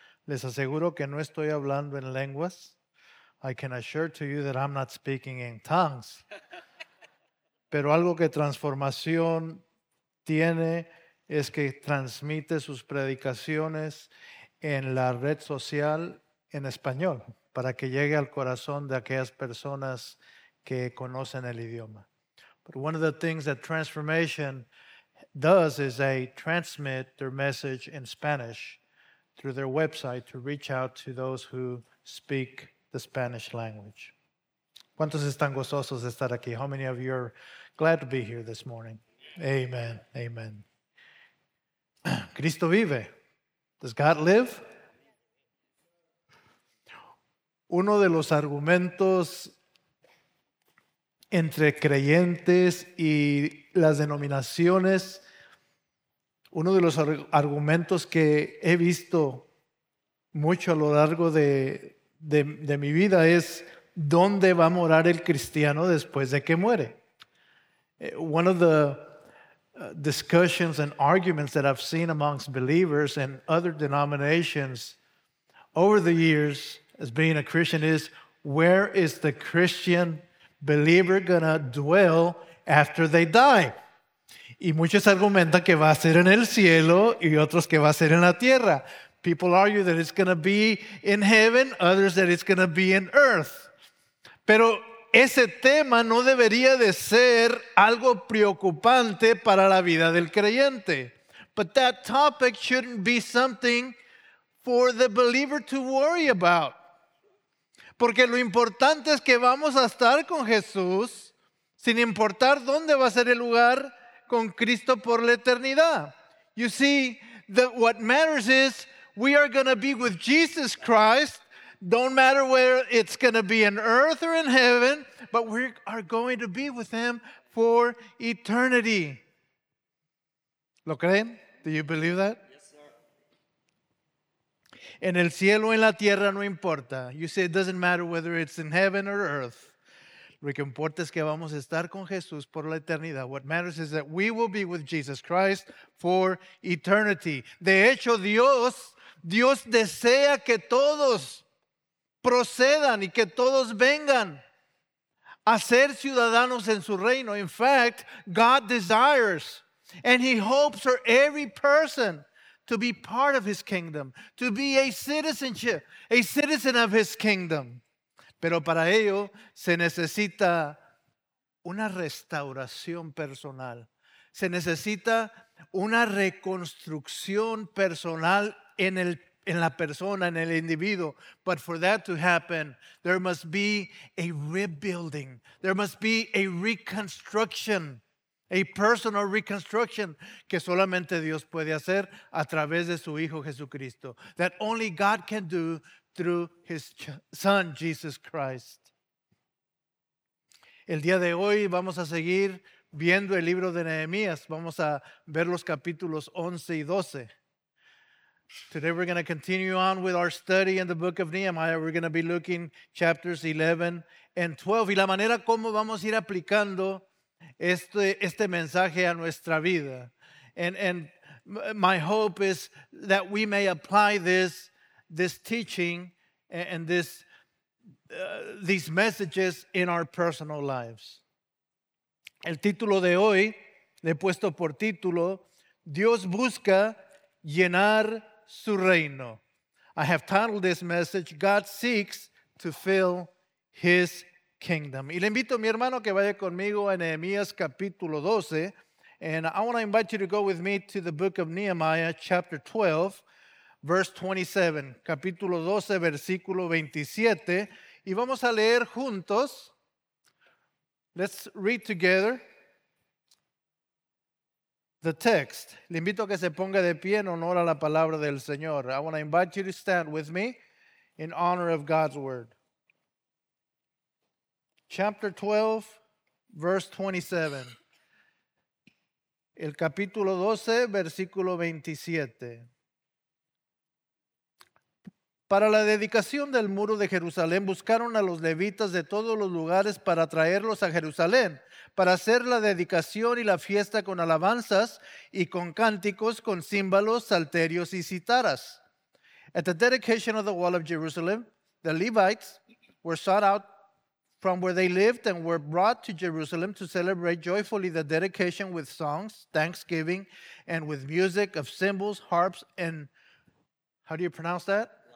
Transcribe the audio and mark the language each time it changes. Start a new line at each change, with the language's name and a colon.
Spanish: Les aseguro que no estoy hablando en lenguas.
English: I can assure to you that I'm not speaking in tongues.
Spanish: Pero algo que Transformación tiene es que transmite sus predicaciones en la red social en español para que llegue al corazón de aquellas personas que conocen el idioma.
English: But one of the things that Transformation does is they transmit their message in Spanish through their website to reach out to those who speak the Spanish language.
Spanish: ¿Cuántos están gozosos de estar aquí?
English: How many of you are glad to be here this morning? Amen. Amen.
Spanish: Cristo vive.
English: Does God live?
Spanish: Uno de los argumentos entre creyentes y las denominaciones, uno de los argumentos que he visto mucho a lo largo de mi vida es, ¿dónde va a morar el cristiano después de que muere?
English: One of the discussions and arguments that I've seen amongst believers and other denominations over the years as being a Christian is, where is the Christian believer going to dwell after they die?
Spanish: Y muchos argumentan que va a ser en el cielo y otros que va a ser en la tierra.
English: People argue that it's going to be in heaven, others that it's going to be in earth.
Spanish: Pero ese tema no debería de ser algo preocupante para la vida del creyente.
English: But that topic shouldn't be something for the believer to worry about.
Spanish: Porque lo importante es que vamos a estar con Jesús sin importar dónde va a ser el lugar con Cristo por la eternidad.
English: You see, what matters is we are going to be with Jesus Christ. Don't matter where it's going to be in earth or in heaven, but we are going to be with him for eternity.
Spanish: ¿Lo creen?
English: Do you believe that? Yes, sir.
Spanish: En el cielo, en la tierra, no importa.
English: You say it doesn't matter whether it's in heaven or earth.
Spanish: Lo que importa es que vamos a estar con Jesús por la eternidad.
English: What matters is that we will be with Jesus Christ for eternity.
Spanish: De hecho, Dios desea que todos procedan y que todos vengan a ser ciudadanos en su reino.
English: In fact, God desires and he hopes for every person to be part of his kingdom, to be a citizen of his kingdom.
Spanish: Pero para ello se necesita una restauración personal. Se necesita una reconstrucción personal en la persona, en el individuo.
English: But for that to happen, there must be a rebuilding. There must be a reconstruction, a personal reconstruction
Spanish: que solamente Dios puede hacer a través de su Hijo Jesucristo.
English: That only God can do through his Son, Jesus Christ.
Spanish: El día de hoy vamos a seguir viendo el libro de Nehemías. Vamos a ver los capítulos 11 y 12.
English: Today we're going to continue on with our study in the book of Nehemiah. We're going to be looking chapters 11 and 12.
Spanish: Y la manera como vamos a ir aplicando este mensaje a nuestra vida.
English: And my hope is that we may apply this teaching and these messages in our personal lives.
Spanish: El título de hoy, le he puesto por título, Dios busca llenar su reino.
English: I have titled this message, God Seeks to Fill His Kingdom.
Spanish: Y le invito a mi hermano que vaya conmigo a Nehemías capítulo 12.
English: And I want to invite you to go with me to the book of Nehemiah chapter 12, verse 27.
Spanish: Capítulo 12, versículo 27. Y vamos a leer juntos.
English: Let's read together the text.
Spanish: Le invito a que se ponga de pie en honor a la palabra del Señor.
English: I want to invite you to stand with me in honor of God's word. Chapter 12, verse 27.
Spanish: El capítulo 12, versículo 27. Para la dedicación del muro de Jerusalén, buscaron a los levitas de todos los lugares para traerlos a Jerusalén, para hacer la dedicación y la fiesta con alabanzas y con cánticos, con címbalos, salterios y citaras.
English: At the dedication of the wall of Jerusalem, the Levites were sought out from where they lived and were brought to Jerusalem to celebrate joyfully the dedication with songs, thanksgiving, and with music of cymbals, harps, and how do you pronounce that?